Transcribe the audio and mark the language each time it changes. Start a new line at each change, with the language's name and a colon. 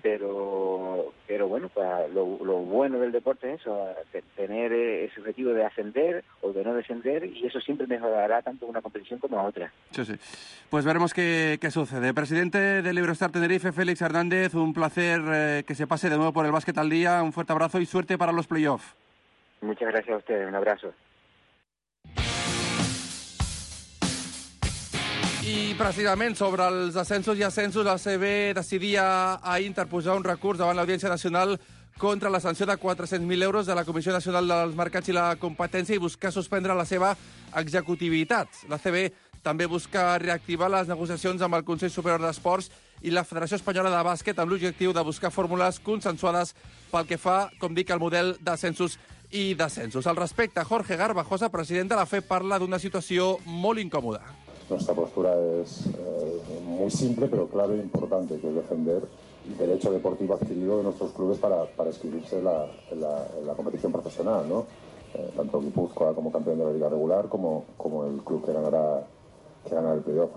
Spanish: Pero bueno, pues lo bueno del deporte es eso, tener ese objetivo de ascender o de no descender, y eso siempre mejorará tanto una competición como a otra. Sí, sí. Pues veremos qué sucede. Presidente del Iberostar Tenerife, Félix Hernández, un placer que se pase de nuevo por el Básquet al Día. Un fuerte abrazo y suerte para los playoffs. Muchas gracias a ustedes. Un abrazo.
Catalan: I precisament sobre els ascensos i ascensos, l'ACB decidia ahir interposar un recurs davant l'Audiència Nacional contra la sanció de 400.000 euros de la Comissió Nacional dels Mercats i la Competència i buscar suspendre la seva executivitat. L'ACB també busca reactivar les negociacions amb el Consell Superior d'Esports i la Federació Espanyola de Bàsquet amb l'objectiu de buscar fórmules consensuades pel que fa, com dic, al model d'ascensos i descensos. Al respecte, Jorge Garbajosa, president de la FE, parla d'una situació molt incòmoda.
Spanish: Nuestra postura es muy simple, pero clave e importante, que es defender derecho deportivo adquirido de nuestros clubes para inscribirse en la competición profesional, ¿no? Tanto Guipúzcoa como campeón de la liga regular, como el club que ganará el playoff.